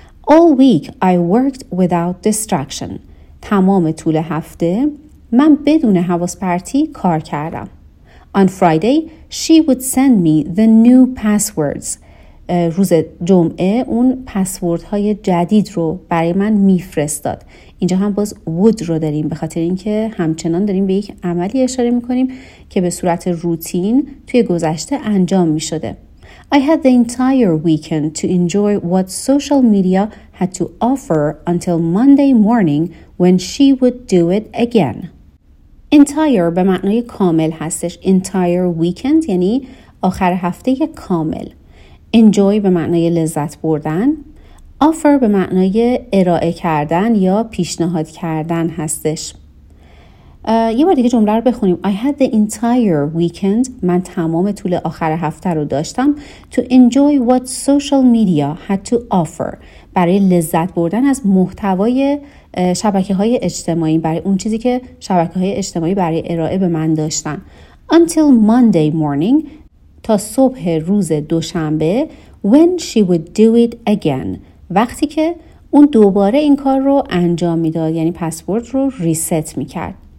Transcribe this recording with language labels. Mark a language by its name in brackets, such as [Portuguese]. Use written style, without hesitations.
[English] All week I worked without distraction [Persian] تمام طول هفته من بدون حواس پرتی کار کردم [English] On Friday, she would send me the new passwords. [Persian] روز جمعه اون پسوردهای جدید رو برای من میفرستاد. اینجا هم باز would رو داریم به خاطر اینکه همچنان داریم به یک عملی اشاره میکنیم که به صورت روتین توی گذشته انجام میشده. [English] I had the entire weekend to enjoy what social media had to offer until Monday morning when she would do it again. [Persian] Entire به معنای کامل هستش. [English] Entire weekend [Persian] یعنی آخر هفته کامل. Enjoy به معنای لذت بردن. Offer به معنای ارائه کردن یا پیشنهاد کردن هستش. یه بار دیگه جمله رو بخونیم. [English] I had the entire weekend. [Persian] من تمام طول آخر هفته رو داشتم. [English] To enjoy what social media had to offer. [Persian] برای لذت بردن از محتوای شبکه‌های اجتماعی برای اون چیزی که شبکه‌های اجتماعی برای ارائه به من داشتن [English] Until Monday morning [Persian] تا صبح روز دوشنبه [English] When she would do it again [Persian] وقتی که اون دوباره این کار رو انجام میداد یعنی پسورد رو ریست میکرد